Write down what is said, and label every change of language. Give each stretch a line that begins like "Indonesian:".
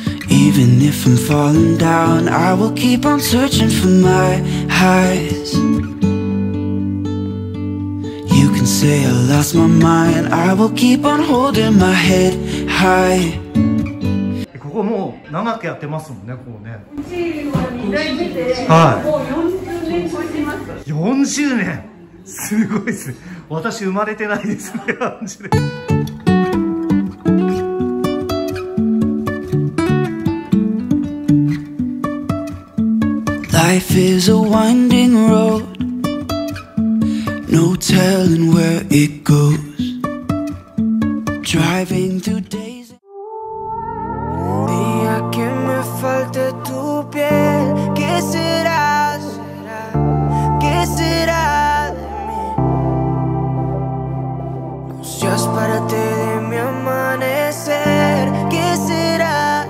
English: Even if I'm falling down, I will keep on searching for my highs. You can say I lost my mind, I will keep on holding my head high.
Japanese: ここもう長くやってますもんね、こうね。うちは2代目で、はい、もう40年超えてます。 40年すごいっす。私生まれてないですね、40年。
English: Life is a winding road, no telling where it goes. Driving through days.
Spanish: Día que me falte tu piel, ¿qué será? ¿Qué será de mí? No seas parte de mi amanecer, ¿qué será?